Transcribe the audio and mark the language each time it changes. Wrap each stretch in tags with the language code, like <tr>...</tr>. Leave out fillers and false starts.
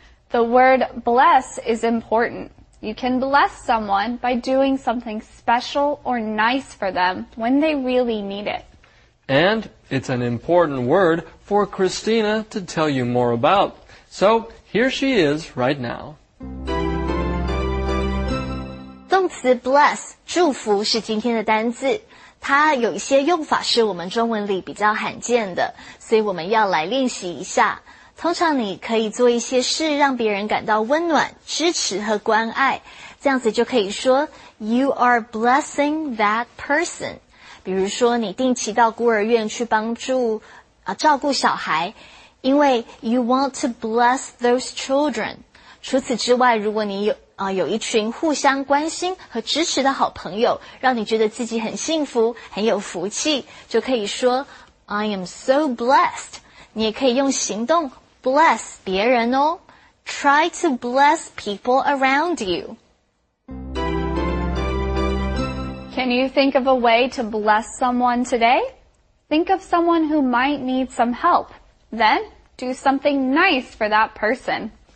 <en>The word bless is important. You can bless someone by doing something special or nice for them when they really need it. And it's an important word for Christina to tell you more about. So here she is right now.</en> <zh>动词 bless, 祝福是今天的单字。它有一些用法是我们中文里比较罕见的，所以我们要来练习一下。通常你可以做一些事让别人感到温暖、支持和关爱。这样子就可以说</zh> <en>You are blessing that person.</en> <zh>比如说你定期到孤儿院去帮助、照顾小孩，因为</zh> <en>You want to bless those children.</en> <zh>除此之外，如果你 有一群互相关心和支持的好朋友，让你觉得自己很幸福，很有福气，就可以说</zh> <en>I am so blessed.</en> <zh>你也可以用行动 bless 别人哦。</zh> <en>Try to bless people around you. Can you think of a way to bless someone today? Think of someone who might need some help. Then do something nice for that person.</en>